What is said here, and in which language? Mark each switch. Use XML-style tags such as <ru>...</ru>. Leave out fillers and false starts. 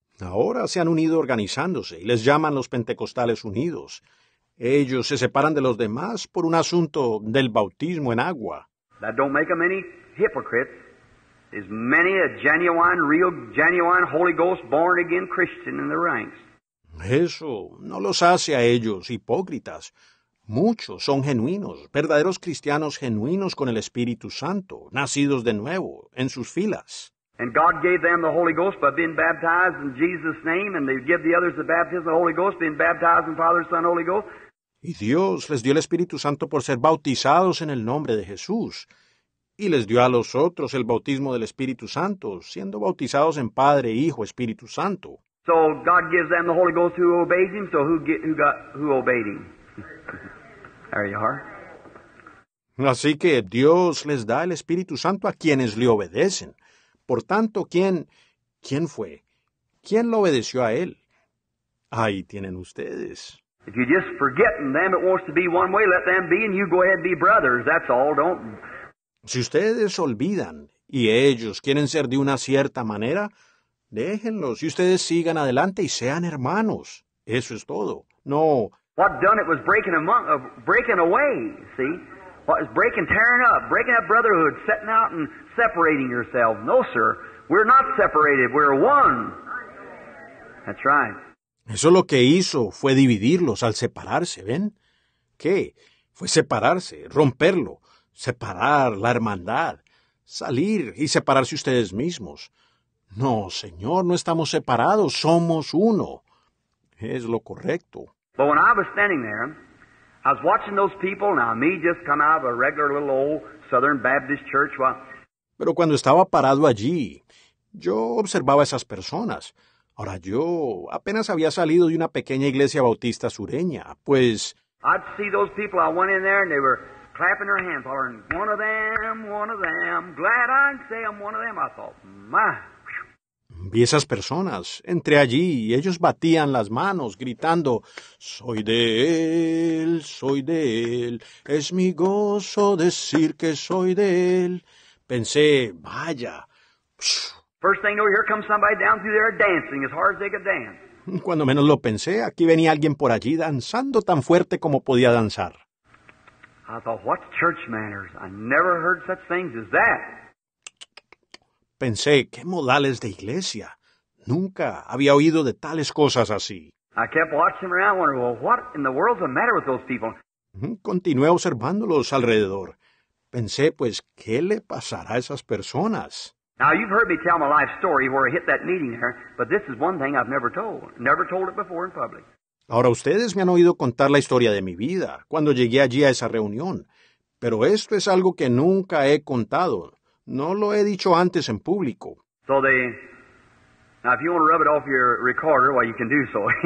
<es>Ahora se han unido organizándose y les llaman los Pentecostales Unidos. Ellos se separan de los demás por un asunto del bautismo en agua.</es> <en>That don't make them any hypocrites. Is many a genuine, real, genuine Holy Ghost born again Christian in the ranks.</en> <es>Eso no los hace a ellos hipócritas. Muchos son genuinos, verdaderos cristianos genuinos con el Espíritu Santo, nacidos de nuevo en sus filas.</es> <en>And God gave them the Holy Ghost by being baptized in Jesus' name, and they give the others the baptism of the Holy Ghost, being baptized in Father, Son, Holy Ghost.</en> <es>Y Dios les dio el Espíritu Santo por ser bautizados en el nombre de Jesús. Y les dio a los otros el bautismo del Espíritu Santo, siendo bautizados en Padre, Hijo, Espíritu Santo.</es> <en>So God gives them the Holy Ghost who obeys him, so who obeyed him? There you are.</en> <es>Así que Dios les da el Espíritu Santo a quienes le obedecen. Por tanto, ¿quién fue? ¿Quién lo obedeció a él? Ahí tienen ustedes.</es> <en>If you just forget them, it wants to be one way, let them be, and you go ahead and be brothers, that's all, don't...</en> <es>Si ustedes olvidan y ellos quieren ser de una cierta manera, déjenlos y ustedes sigan adelante y sean hermanos. Eso es todo. No.</es> <en>What done it was breaking away, see? What is breaking, tearing up brotherhood, setting out and separating yourself. No, sir. We're not separated. We're one. That's right.</en> <es>Eso lo que hizo fue dividirlos al separarse, ¿ven? ¿Qué? Fue separarse, romperlo. Separar la hermandad, salir y separarse ustedes mismos. No, Señor, no estamos separados, somos uno. Es lo correcto.</es> <en>But when I was standing there, I was watching those people, now me just come out of a regular little old Southern Baptist church.</en> <es>Pero cuando estaba parado allí, yo observaba a esas personas. Ahora yo apenas había salido de una pequeña iglesia bautista sureña, pues...</es> <en>I'd see those people, I went in there and they were... clapping her hands, hollering, one of them, glad I'd say I'm one of them. I thought, my.</en> <es>Vi esas personas, entré allí, y ellos batían las manos, gritando, soy de él, es mi gozo decir que soy de él. Pensé, vaya.</es> <en>First thing you know, here comes somebody down through there dancing as hard as they could dance.</en> <es>Cuando menos lo pensé, aquí venía alguien por allí danzando tan fuerte como podía danzar.</es> <en>I thought, what church manners? I never heard such things as that.</en> <es>Pensé, ¿qué modales de iglesia? Nunca había oído de tales cosas así.</es> <en>I kept watching around, wondering, well, what in the world's the matter with those people?</en> <es>Continué observándolos alrededor. Pensé, pues, ¿qué le pasará a esas personas?</es> <en>Now, you've heard me tell my life story where I hit that meeting there, but this is one thing I've never told it before in public.</en> <es>Ahora ustedes me han oído contar la historia de mi vida cuando llegué allí a esa reunión, pero esto es algo que nunca he contado. No lo he dicho antes en público.</es> <en>So they, now if you want to rub it off your recorder, well, you can do so.</en>